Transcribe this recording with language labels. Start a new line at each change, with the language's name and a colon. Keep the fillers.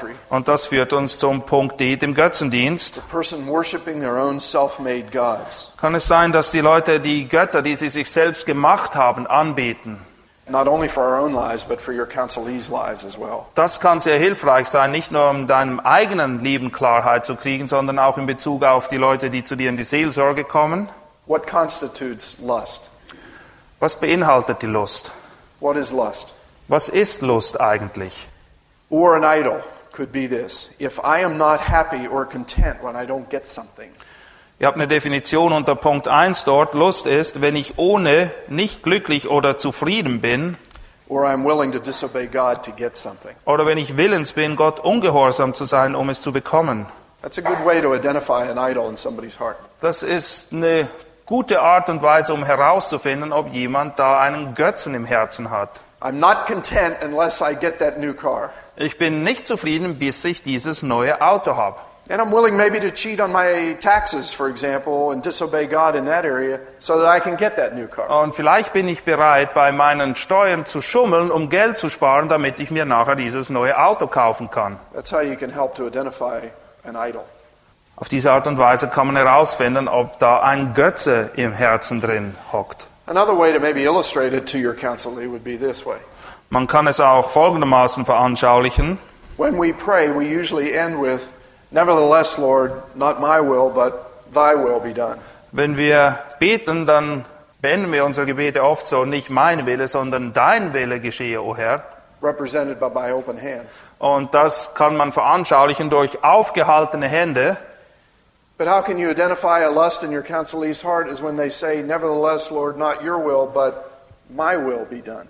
German: Und das führt uns zum Punkt D, dem Götzendienst. Kann es sein, dass die Leute die Götter, die sie sich selbst gemacht haben, anbeten?
English: Not only for our own lives, but for your counselees' lives as well.
German: Das kann sehr hilfreich sein, nicht nur um deinem eigenen Leben Klarheit zu kriegen, sondern auch in Bezug auf die Leute, die zu dir in die Seelsorge kommen.
English: What constitutes lust?
German: Was beinhaltet die
English: Lust? What is lust?
German: Was Lust eigentlich?
English: Or an idol could be this. If I am not happy or content when I don't get something.
German: Ihr habt eine Definition unter Punkt 1 dort. Lust ist, wenn ich ohne nicht glücklich oder zufrieden bin. Oder wenn ich willens bin, Gott ungehorsam zu sein, um es zu bekommen. Das ist eine gute Art und Weise, um herauszufinden, ob jemand da einen Götzen im Herzen hat. I'm ich bin nicht zufrieden, bis ich dieses neue Auto habe.
English: And I'm willing maybe to cheat on my taxes, for example, and disobey God in that area, so that I can get that new car.
German: Und vielleicht bin ich bereit, bei meinen Steuern zu schummeln, um Geld zu sparen, damit ich mir nachher dieses neue Auto kaufen kann.
English: That's how you can help to identify an idol.
German: Auf diese Art und Weise kann man herausfinden, ob da ein Götze im Herzen drin hockt.
English: Another way to maybe illustrate it to your counsel, Lee, would be this way.
German: Man kann es auch folgendermaßen veranschaulichen.
English: When we pray, we usually end with Nevertheless, Lord, not my will, but thy will be done.
German: Wenn wir beten, dann beenden wir unsere Gebete oft so, nicht mein Wille, sondern dein Wille geschehe, o oh Herr.
English: Represented by my open hands.
German: Und das kann man veranschaulichen durch aufgehaltene hands.
English: But how can you identify a lust in your counselee's heart is when they say, nevertheless, Lord, not your will, but my will be done.